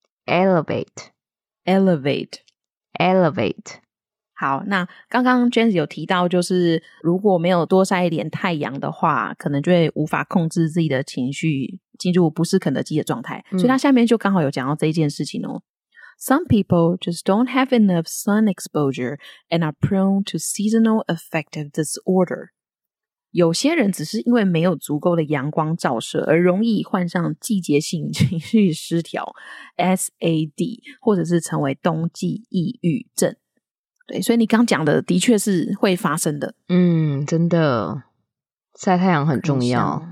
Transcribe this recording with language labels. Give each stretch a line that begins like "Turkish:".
English: Elevate, elevate, elevate。
Chinese: 好，那刚刚 Jens 有提到，就是如果没有多晒一点太阳的话，可能就会无法控制自己的情绪，进入不是肯德基的状态、嗯、所以他下面就刚好有讲到这一件事情哦。
English: Some people just don't have enough sun exposure and are prone to seasonal affective disorder.
Chinese: 有些人只是因为没有足够的阳光照射而容易患上季节性情绪失调 SAD 或者是成为冬季抑郁症。对，所以你刚讲的的确是会发生的。嗯，真的晒太阳很重要。